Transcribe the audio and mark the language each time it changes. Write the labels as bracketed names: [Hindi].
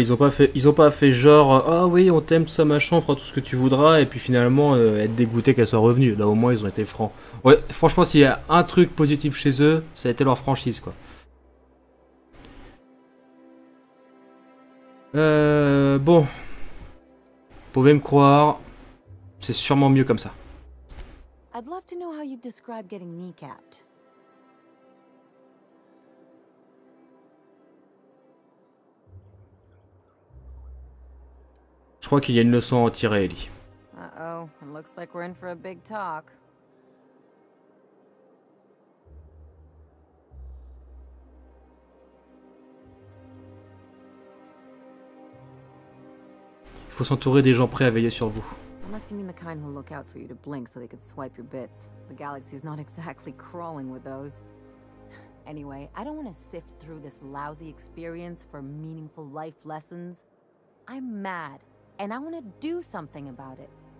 [French] Ils ont pas fait genre, ah oh, oui, on t'aime, tout ça, machin, on fera tout ce que tu voudras, et puis finalement, être dégoûté qu'elle soit revenue. Là, au moins, ils ont été francs. Ouais, franchement, s'il y a un truc positif chez eux, ça a été leur franchise, quoi. Bon. Vous pouvez me croire, c'est sûrement mieux comme ça. [English] I'd love to know how you'd describe getting kneecapped. [French] Je crois qu'il y a une leçon à en tirer, Ellie. [English] Uh-oh, it looks like we're in for a big talk. [French] Il faut s'entourer des gens prêts à veiller sur vous. [English] Unless you mean the kind who look out for you to blink so they could swipe your bits. The galaxy's not exactly crawling with those. Anyway, I don't want to sift through this lousy experience for meaningful life lessons. I'm mad. And I want to do something about it.